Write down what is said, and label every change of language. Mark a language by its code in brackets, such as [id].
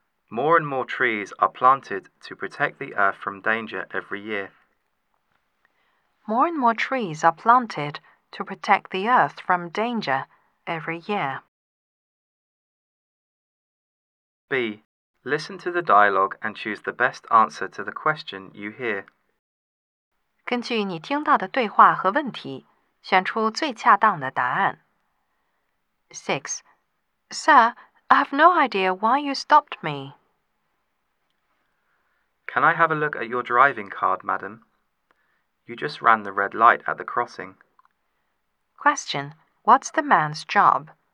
[en] More and more trees are planted to protect the earth from danger every year. More and more trees are planted to protect the earth from danger every year. B. Listen to the dialogue and choose the best answer to the question you hear. [zh] 根据你听到的对话和问题，选出最恰当的答案。 [en] 6. Sir, I have no idea why you stopped me. Can I have a look at your driving card, madam? You just ran the red light at the crossing. Question, what's the man's job?